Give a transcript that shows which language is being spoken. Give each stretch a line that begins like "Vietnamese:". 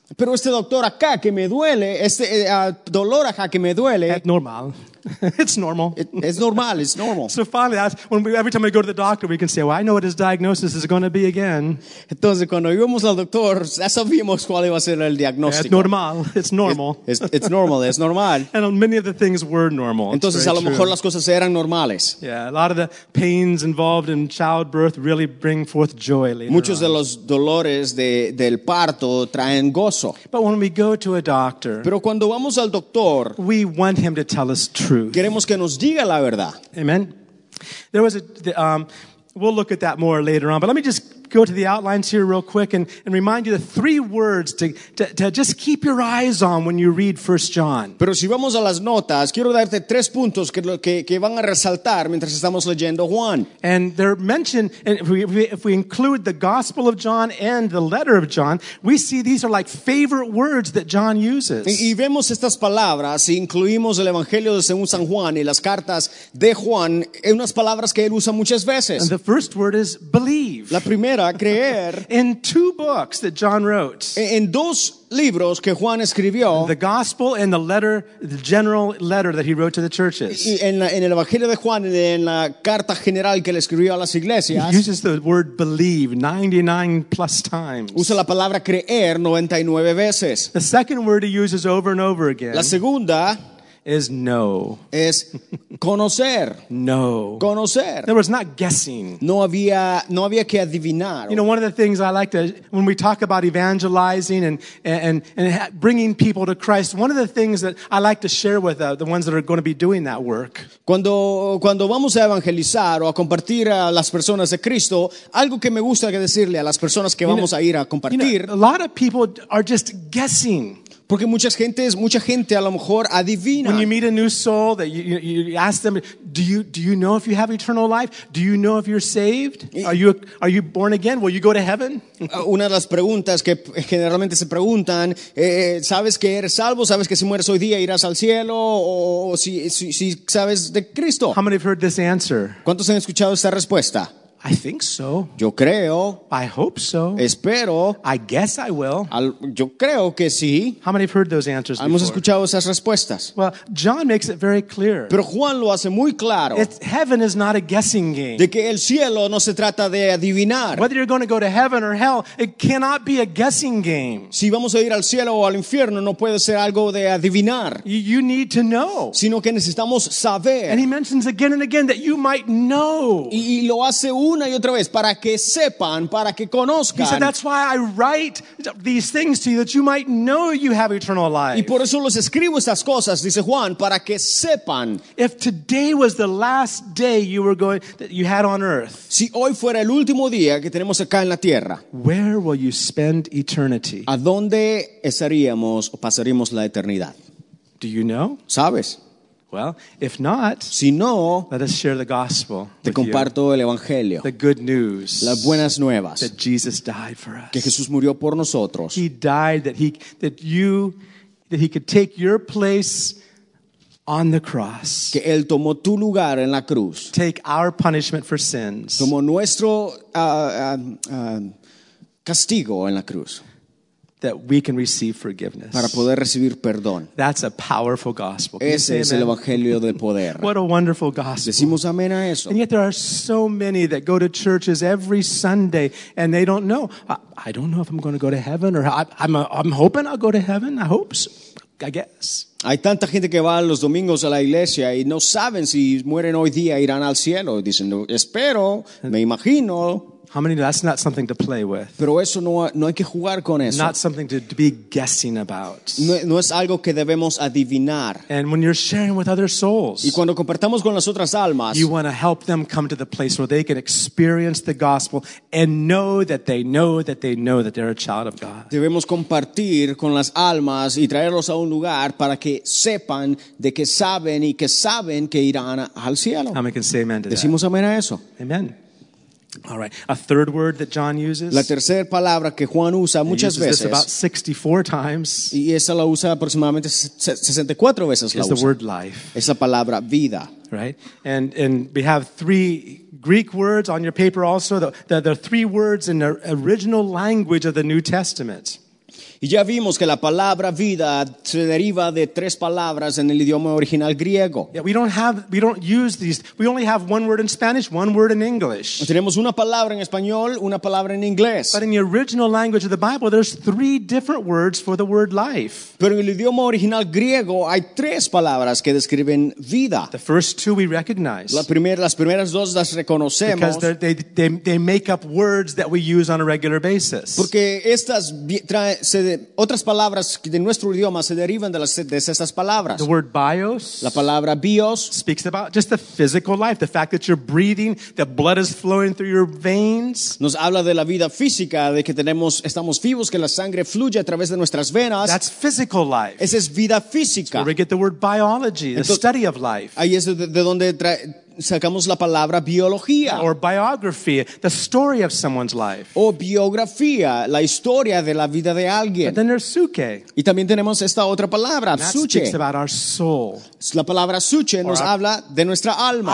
Spanish: Pero este doctor acá que me duele, este dolor acá que me duele. Es normal.
English: It's normal. It's normal. It's normal. So finally, every time we go to the doctor, we can say, "Well, I know what his diagnosis is going to be again."
Spanish: Entonces, cuando íbamos al doctor, ya sabíamos cuál iba a ser el diagnóstico.
English: It's normal. It's normal. It's normal. It's normal. And many of the things were normal.
Spanish: Entonces, a lo mejor las cosas eran normales.
English: Yeah, a lot of the pains involved in childbirth really bring forth joy later.
Spanish: Muchos de los dolores del parto traen gozo.
English: But when we go to a doctor,
Spanish: pero cuando vamos al doctor,
English: we want him to tell us truth.
Spanish: Queremos que nos diga la verdad.
English: Amen. There was we'll look at that more later on, but let me just go to the outlines here real quick and remind you the three words to just keep your eyes on when you read 1 John.
Spanish: Pero si vamos a las notas, quiero darte tres puntos que van a resaltar mientras estamos leyendo Juan.
English: And they're mentioned, and if we include the Gospel of John and the letter of John, we see these are like favorite words that John uses.
Spanish: Y vemos estas palabras, si incluimos el Evangelio de según San Juan y las cartas de Juan, es unas palabras que él usa muchas veces.
English: And the first word is believe.
Spanish: La primera creer.
English: In two books that John wrote.
Spanish: En dos libros que Juan escribió.
English: The Gospel and the letter, the general letter that he wrote to the churches.
Spanish: Y en el Evangelio de Juan, en la carta general que le escribió a las iglesias.
English: He uses the word believe 99 plus times.
Spanish: Usa la palabra creer 99 veces.
English: The second word he uses over and over again.
Spanish: La segunda
English: is no.
Spanish: Es conocer.
English: No.
Spanish: Conocer.
English: There was not guessing.
Spanish: No había que adivinar.
English: You know, one of the things I like to, when we talk about evangelizing and bringing people to Christ, one of the things that I like to share with the ones that are going to be doing that work.
Spanish: Cuando vamos a evangelizar o a compartir a las personas de Cristo, algo que me gusta que decirle a las personas que vamos a ir a compartir.
English: You know, a lot of people are just guessing.
Spanish: Porque mucha gente a lo mejor adivina.
English: When you meet a new soul, that you ask them, do you know if you have eternal life? Do you know if you're saved? Are you born again? Will you go to heaven?
Spanish: Una de las preguntas que generalmente se preguntan, ¿sabes que eres salvo? ¿Sabes que si mueres hoy día irás al cielo? ¿O si sabes de Cristo?
English: How many have heard this answer?
Spanish: ¿Cuántos han escuchado esta respuesta?
English: I think so.
Spanish: Yo creo.
English: I hope so.
Spanish: Espero.
English: I guess I will.
Spanish: Yo creo que sí.
English: How many have heard those answers before?
Spanish: Hemos escuchado esas respuestas.
English: Well, John makes it very clear.
Spanish: Pero Juan lo hace muy claro.
English: Heaven is not a guessing game.
Spanish: De que el cielo no se trata de adivinar.
English: Whether you're going to go to heaven or hell, it cannot be a guessing game.
Spanish: Si vamos a ir al cielo o al infierno, no puede ser algo de adivinar.
English: You need to know.
Spanish: Sino que necesitamos saber.
English: And he mentions again and again that you might know.
Spanish: Y lo hace una y otra vez para que sepan, para que conozcan.
English: He said, that's why I write these things to you, that you might know you have eternal life.
Spanish: Y por eso los escribo estas cosas, dice Juan, para que sepan.
English: If today was the last day you were going, that you had on earth,
Spanish: si hoy fuera el último día que tenemos acá en la tierra,
English: where will you spend eternity?
Spanish: ¿A dónde estaríamos o pasaríamos la eternidad?
English: Do you know?
Spanish: ¿Sabes?
English: Well, if not,
Spanish: si no,
English: let us share the gospel.
Spanish: Te comparto el evangelio.
English: The good news.
Spanish: Las buenas nuevas.
English: That Jesus died for us.
Spanish: Que Jesús murió por nosotros.
English: He died that he could take your place on the cross.
Spanish: Que él tomó tu lugar en la cruz.
English: Take our punishment for sins.
Spanish: Tomó nuestro castigo en la cruz.
English: That we can receive forgiveness.
Spanish: Para poder recibir perdón.
English: That's a powerful gospel.
Spanish: Ese es el evangelio del poder.
English: What a wonderful gospel.
Spanish: Decimos amén a eso.
English: And yet there are so many that go to churches every Sunday and they don't know. I don't know if I'm going to go to heaven or I'm hoping I'll go to heaven. I hope so. I guess.
Spanish: Hay tanta gente que va los domingos a la iglesia y no saben si mueren hoy día irán al cielo. Dicen, espero, me imagino.
English: How many? That's not something to play with.
Spanish: Pero eso no hay que jugar con eso.
English: Not something to be guessing about.
Spanish: No es algo que debemos adivinar.
English: And when you're sharing with other souls,
Spanish: y cuando compartamos con las otras almas,
English: you want to help them come to the place where they can experience the gospel and know that they know that they know that they're a child of God.
Spanish: Debemos compartir con las almas y traerlos a un lugar para que sepan de que saben y que saben que irán al cielo.
English: How many can say amen to that?
Spanish: Decimos amén a eso.
English: Amen. All right. A third word that John uses.
Spanish: La tercera palabra que Juan usa muchas veces.
English: He uses this about 64 times.
Spanish: Y esa la usa aproximadamente 64 veces.
English: Is the word life.
Spanish: Esa palabra vida.
English: Right. And we have three Greek words on your paper also. The three words in the original language of the New Testament.
Spanish: Y ya vimos que la palabra vida se deriva de tres palabras en el idioma original griego.
English: Yeah, we don't use these. We only have one word in Spanish, one word in English.
Spanish: Tenemos una palabra en español, una palabra en inglés.
English: But in the original language of the Bible, there's three different words for the word life.
Spanish: Pero en el idioma original griego hay tres palabras que describen vida.
English: The first two we recognize.
Spanish: Las primeras dos las reconocemos.
English: Because they make up words that we use on a regular basis.
Spanish: Porque estas otras palabras de nuestro idioma se derivan de esas palabras.
English: The word bios,
Spanish: la palabra bios,
English: speaks about just the physical life, the fact that you're breathing, the blood is flowing through your veins.
Spanish: Nos habla de la vida física, de que estamos vivos, que la sangre fluye a través de nuestras venas.
English: That's physical life.
Spanish: Esa es vida física.
English: Where we get the word biology, the study of life.
Spanish: Ahí es de donde sacamos la palabra biología.
English: Or biography, the story of someone's life.
Spanish: O biografía, la historia de la vida de alguien.
English: But then there's psuche.
Spanish: Y también tenemos esta otra palabra, psuche.
English: That speaks about our soul.
Spanish: La palabra psuche nos habla de nuestra alma.